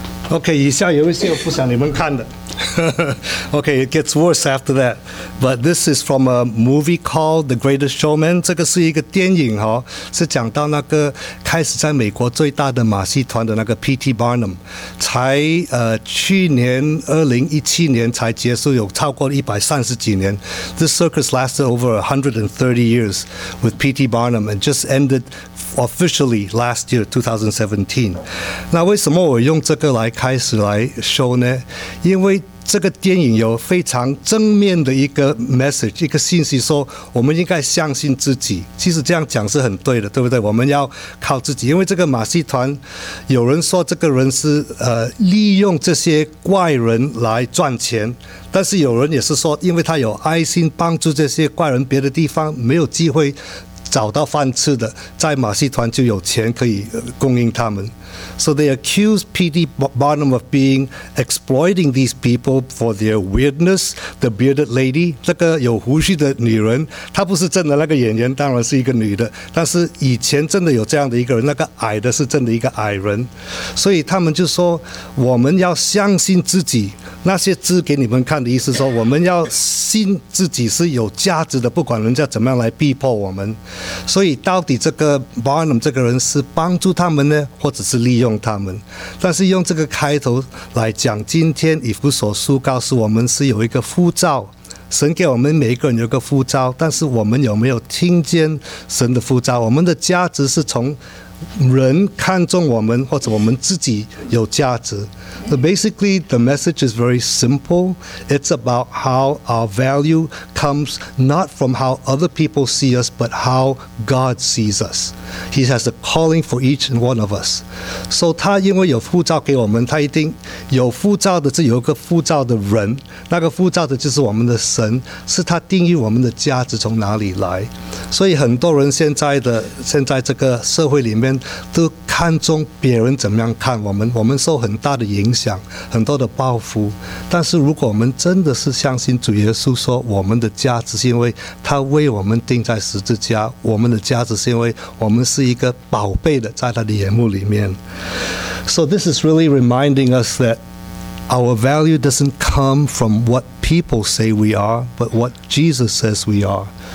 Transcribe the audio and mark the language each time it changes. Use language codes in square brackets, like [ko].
[zh] OK， 以下有一些不想你们看的。 [en] OK， it gets worse after that. But this is from a movie called The Greatest Showman. [zh] 这个是一个电影、哦、是讲到那个开始在美国最大的马戏团的那个 P.T. Barnum， 才去年2017年才结束，有超过130几年。 [en] This circus lasted over 130 years with P.T. Barnum and just ended officially last year, 2017. [zh] 那为什么我用这个来开始来 show 呢？因为这个电影有非常正面的一个 message， 一个信息，说我们应该相信自己。其实这样讲是很对的，对不对？我们要靠自己，因为这个马戏团，有人说这个人是利用这些怪人来赚钱，但是有人也是说，因为他有爱心帮助这些怪人，别的地方没有机会找到饭吃的，在马戏团就有钱可以供应他们。 [en] So they accuse P.T. Barnum of being exploiting these people for their weirdness. The bearded lady, [zh] 这个有胡须的女人，她不是真的那个演员，当然是一个女的。但是以前真的有这样的一个人，那个矮的是真的一个矮人。所以他们就说，我们要相信自己。那些字给你们看的意思说，我们要信自己是有价值的，不管人家怎么样来逼迫我们。所以到底这个 Barnum 这个人是帮助他们呢，或者是利用他们？但是用这个开头来讲，今天以弗所书告诉我们是有一个呼召，神给我们每一个人有一个呼召，但是我们有没有听见神的呼召？我们的价值是从人看中我们，或者我们自己有价值。 [en] So basically, the message is very simple. It's about how our value comes not from how other people see us, but how God sees us. He has a calling for each and one of us. [zh] So 他因为有呼召给我们，他一定有呼召的是有一个呼召的人，那个呼召的就是我们的神，是他定义我们的价值从哪里来。所以很多人现在这个社会里面都看中别人怎么样看我们，我们受很大的影响，很多的报复。但是如果我们真的是相信主耶稣说我们的价值是因为他为我们钉在十字架，我们的价值是因为我们是一个宝贝的在他的眼目里面。 [en] So this is really reminding us that our value doesn't come from what people say we are, but what Jesus says we are.